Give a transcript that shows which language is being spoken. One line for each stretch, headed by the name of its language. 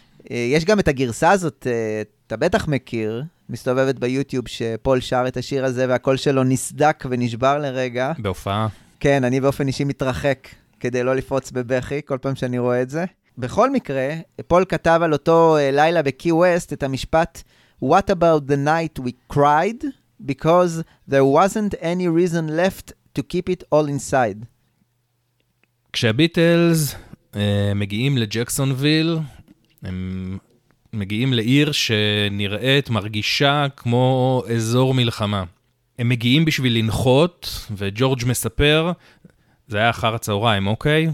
Hebrew: יש גם את הגרסה הזאת, אתה בטח מכיר, מסתובבת ביוטיוב שפול שר את השיר הזה והקול שלו נסדק ונשבר לרגע. בהופעה. כן, אני באופן אישי מתרחק כדי לא לפרוץ בבכי כל פעם שאני רואה את זה. בכל מקרה, פול כתב על אותו לילה בקי ווסט את המשפט
English: What about the night we cried? Because there wasn't any reason left to keep it all inside.
Hebrew: כשהביטלס מגיעים לג'קסונוויל, הם מגיעים לעיר שנראית, מרגישה כמו אזור מלחמה. הם מגיעים בשביל לנחות, וג'ורג' מספר, זה היה אחר הצהריים, אוקיי?